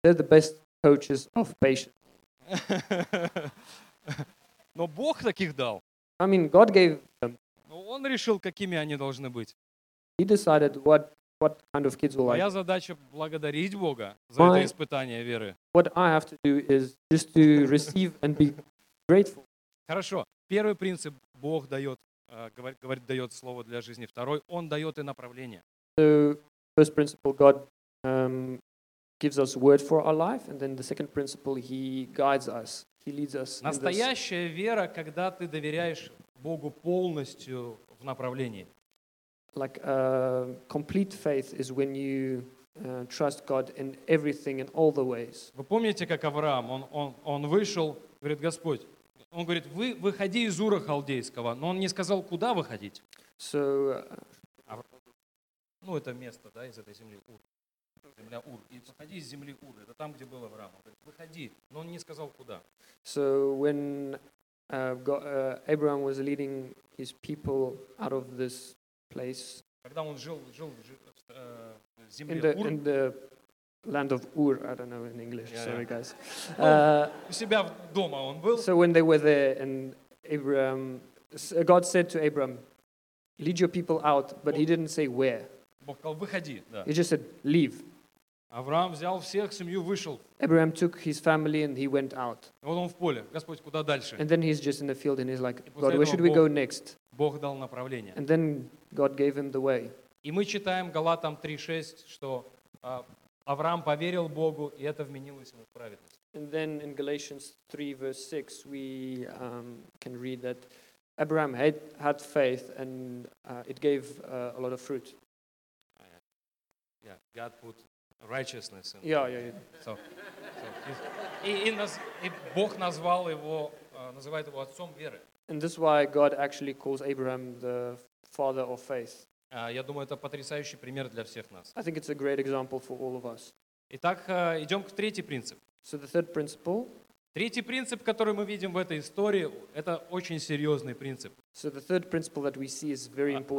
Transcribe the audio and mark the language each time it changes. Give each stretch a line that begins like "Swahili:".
English: They're the best coaches of patience.
Russian: Но Бог таких дал.
English: I mean, God gave them.
Russian: Но Он решил, какими они должны быть.
English: He decided what kind of kids will
Russian: Моя
English: like.
Russian: Задача благодарить Бога за это испытание веры.
English: What I have to do is just to receive and be grateful.
Russian: Хорошо. Первый принцип Бог дает, говорит, дает слово для жизни. Второй, Он дает и направление.
English: So, first principle, God gives us word for our life, and then the second principle, He guides us, He leads us.
Russian: Настоящая вера, когда ты доверяешь Богу полностью в направлении.
English: Like complete faith is when you trust God in everything and all the ways.
Russian: Вы помните, как Авраам, он вышел, говорит, Господь. Он говорит, вы выходи из Ура Халдейского, но он не сказал, куда выходить.
English: So,
Russian: ну, это место, да, из этой земли Ур. Земля Ур. И выходи из земли Ур. Это там, где был Авраам. Он говорит, выходи, но он не сказал, куда.
English: So, when Abraham was leading his people out of this place,
Russian: когда он жил в земле
English: in the, Ур, in the Land of Ur, I don't know in English, sorry guys.
Russian: У себя дома он был.
English: So when they were there, and Abraham, God said to Abraham, lead your people out, but he didn't say where.
Russian: Бог сказал, выходи, да.
English: He just said, leave.
Russian: Авраам взял всех, семью вышел.
English: Abraham took his family and he went out.
Russian: Вот он в поле, Господь, куда дальше?
English: And then he's just in the field and he's like, God, where should we go next?
Russian: Бог дал направление.
English: And then God gave him the way.
Russian: И мы читаем Галатам 3:6, что Авраам поверил Богу, и это вменилось ему в праведность.
English: And then in Galatians 3, verse 6, we can read that Abraham had faith, and it gave a lot of fruit. Yeah, God put righteousness in.
Russian: И Бог назвал его, называет его отцом веры.
English: And this is why God actually calls Abraham the father of faith.
Russian: Я думаю, это потрясающий пример для всех нас.
English: I think it's a great example for all of us.
Russian: Итак, идем к третьему принципу.
English: So the third principle.
Russian: Третий принцип, который мы видим в этой истории, это очень серьезный принцип.
English: So the third principle that we see is very important.